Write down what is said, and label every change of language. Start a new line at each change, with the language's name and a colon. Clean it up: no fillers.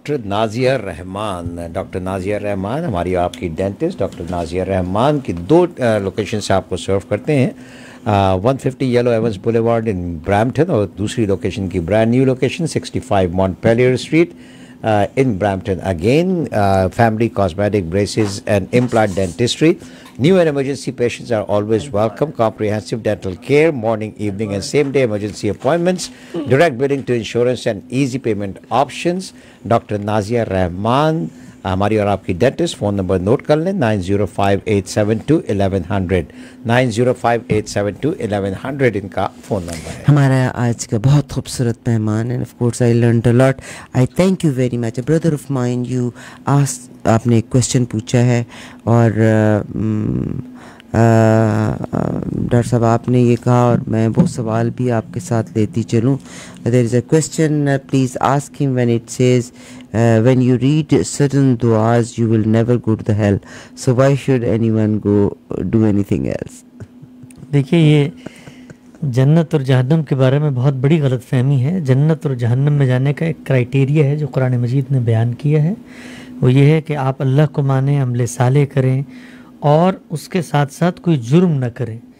Urdu: Doctor Nazia رحمان ہماری آپ کی ڈینٹسٹ. ڈاکٹر نازیہ رحمان کی دو لوکیشن سے آپ کو سرو کرتے ہیں, 150 یلو ایونس بولے وارڈ ان برامپٹن, اور دوسری لوکیشن کی brand new location 65 Montpellier street in Brampton.
English: Again family cosmetic braces and implant dentistry. New and emergency patients are always welcome. Comprehensive dental care, morning, evening and same day emergency appointments, direct billing to insurance and easy payment options.
Urdu: Doctor Nazia رحمان ہماری اور آپ کی dentist. Phone number note کر لیں, 9058721100 9058721100 ان کا phone number ہے. ہمارا آج کا بہت خوبصورت مہمان,
English: And of course I learned a lot. I thank you very much, brother of mine. You ask,
Urdu: آپ نے ایک کوشچن پوچھا ہے, اور ڈاکٹر صاحب آپ نے یہ کہا, اور میں وہ سوال بھی آپ کے ساتھ لیتی چلوں.
English: There is a question, please ask him when it says when you read certain du'as, you will never go to the hell. So why should anyone go do anything else?
Urdu: دیکھیں یہ جنت اور جہنم کے بارے میں بہت بڑی غلط فہمی ہے. جنت اور جہنم میں جانے کا ایک کرائٹیریا ہے جو قرآن مجید نے بیان کیا ہے, وہ یہ ہے کہ آپ اللہ کو مانیں, عمل صالح کریں اور اس کے ساتھ ساتھ کوئی جرم نہ کریں.